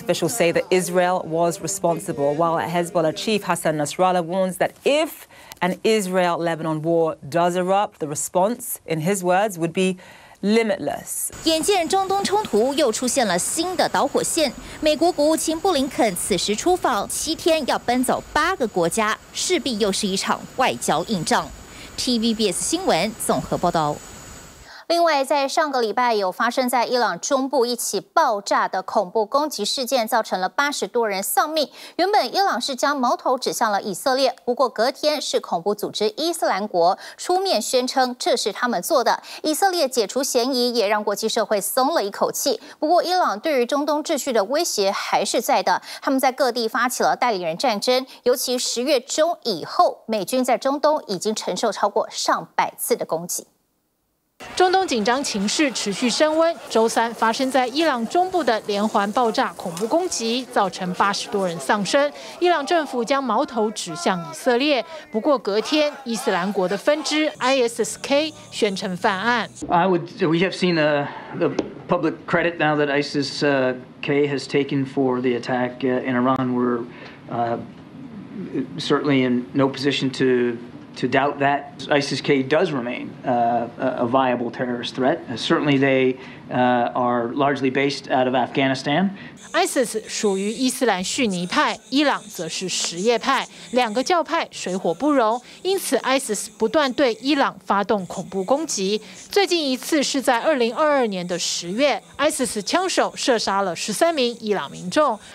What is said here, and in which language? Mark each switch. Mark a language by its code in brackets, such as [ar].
[en] officials say that Israel was responsible, while Hezbollah chief Hassan Nasrallah warns that if an Israel-Lebanon war does erupt, the response, in his words, would be. Limitless. [zh] 眼见中东冲突又出现了新的导火线，美国国务卿布林肯此时出访，七天要奔走8个国家，势必又是一场外交硬仗。 TVBS 新闻综合报道。另外，在上个礼拜有发生在伊朗中部一起爆炸的恐怖攻击事件，造成了80多人丧命。原本伊朗是将矛头指向了以色列，不过隔天是恐怖组织伊斯兰国出面宣称这是他们做的。以色列解除嫌疑也让国际社会松了一口气。不过伊朗对于中东秩序的威胁还是在的，他们在各地发起了代理人战争，尤其10月中以后，美军在中东已经承受超过100次的攻击。中东紧张情势持续升温，周三发生在伊朗中部的连环爆炸恐怖攻击造成80多人丧生，伊朗政府将矛头指向以色列，不过隔天伊斯兰国的分支 ISIS-K 宣称犯案。 [en] We have seen the public credit now that ISIS-K has taken for the attack in Iran. We're certainly in no position to to doubt that. ISIS-K does remain a viable terrorist threat. Certainly they are largely based out of Afghanistan. [zh] ISIS 属于伊斯兰逊尼派，伊朗则是什叶派，两个教派水火不容，因此 ISIS 不断对伊朗发动恐怖攻击。最近一次是在2022年的10月， ISIS 枪手射杀了13名伊朗民众。